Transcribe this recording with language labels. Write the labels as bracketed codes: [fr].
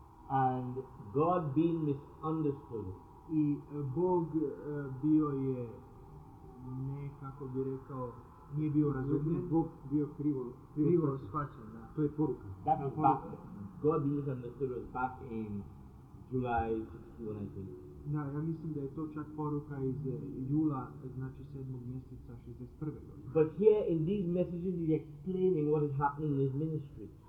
[en] and God being misunderstood [sr] i Bog bio je nekako bi rekao nije bio razumljen, Bog bio krivo shvaćen, da. To je poruka. [en] That was back, God is understood was back in July 61, I think. [sr] Da, ja mislim da je to čak poruka iz jula, znači 7. mjeseca 61. [en] But here in these messages he's explaining what is happening in his ministry.